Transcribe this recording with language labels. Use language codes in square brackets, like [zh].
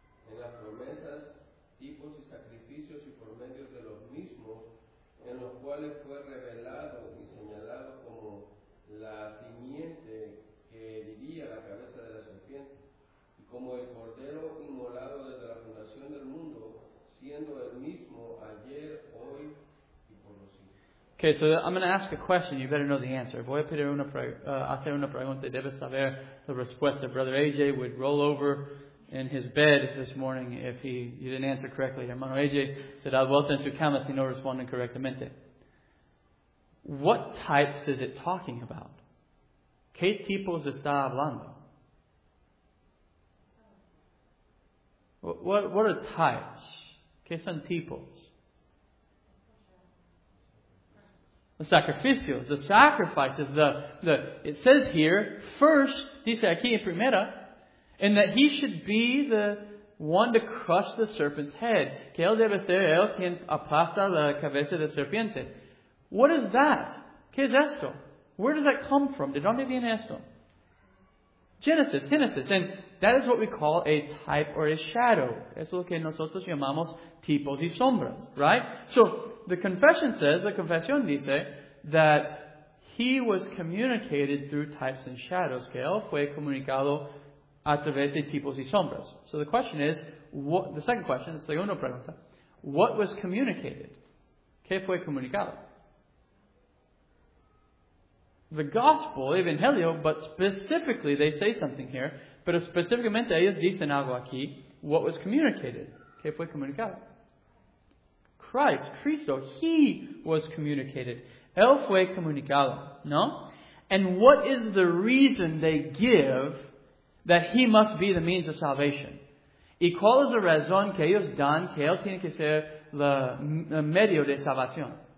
[es] en las promesas, tipos y sacrificios y por medio de los mismos, en los cuales fue revelado y señalado como la simiente que hería la cabeza de la serpiente, y como el cordero inmolado desde la fundación del mundo, siendo el mismo ayer, hoy y por los siglos. [en] Okay, so I'm going to ask a question. You better know the answer. [es] Voy a pedir una hacer una pregunta. Debes saber la respuesta. [en] Brother AJ would roll over in his bed this morning if you didn't answer correctly. [es] Hermano AJ se da vuelta en su cama si no responden correctamente. [en] What types is it talking about? [es] ¿Qué tipos está hablando? [en] What are types? [es] ¿Qué son tipos? [en] The sacrificios, the sacrifices, the it says here, first, [es] dice aquí en primera, [en] and that he should be the one to crush the serpent's head. [es] Que él debe ser el quien aplasta la cabeza de serpiente. [en] What is that? [es] ¿Qué es esto? [en] Where does that come from? [es] ¿De dónde viene esto? [en] Genesis. And that is what we call a type or a shadow. [es] Es lo que nosotros llamamos tipos y sombras, right? [en] So, the confession dice, that he was communicated through types and shadows, [es] que él fue comunicado a través de tipos y sombras. [en] So the question is, the second pregunta, what was communicated? [es] ¿Qué fue comunicado? [en] The gospel, evangelio, but specifically, they say something here, [es] pero específicamente ellos dicen algo aquí, [en] what was communicated? [es] ¿Qué fue comunicado? Christ, Cristo, [en] he was communicated. [es] Él fue comunicado, ¿no? [en] And what is the reason they give that he must be the means of salvation? [es] ¿Y cuál es la razón que ellos dan que él tiene que ser el medio de salvación?